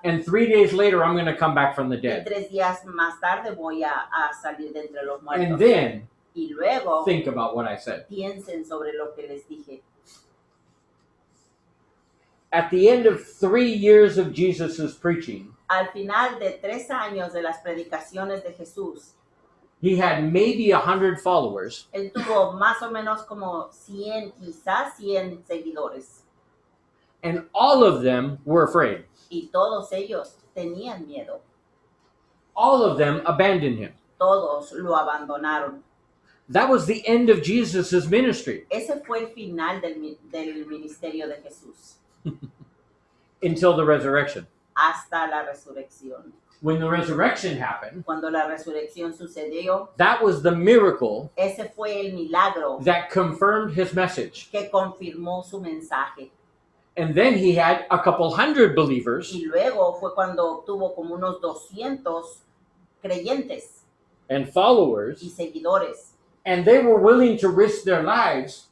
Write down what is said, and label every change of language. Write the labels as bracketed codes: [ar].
[en] And 3 days later, I'm going to come back from the dead. [es] Y 3 días más tarde voy a salir de entre los muertos. [en] And then, [es] y luego, [en] think about what I said. [es] Piensen sobre lo que les dije. [en] At the end of 3 years of Jesus' preaching, [es] al final de 3 años de las predicaciones de Jesús, [en] he had maybe 100 followers. [es] Él tuvo más o menos como 100, quizás 100 seguidores. [en] And all of them were afraid. [es] Y todos ellos tenían miedo. [en] All of them abandoned him. [es] Todos lo abandonaron. [en] That was the end of Jesus' ministry. [es] Ese fue el final del ministerio de Jesús. [en] Until the resurrection. [es] Hasta la resurrección. [en] When the resurrection happened, [es] cuando la resurrección sucedió, [en] that was the miracle, [es] ese fue el milagro, [en] that confirmed his message, [es] que confirmó su mensaje. [en] And then he had a couple hundred believers, [es] y luego fue cuando obtuvo como unos 200 creyentes, [en] and followers, [es] y seguidores, [en] and they were willing to risk their lives,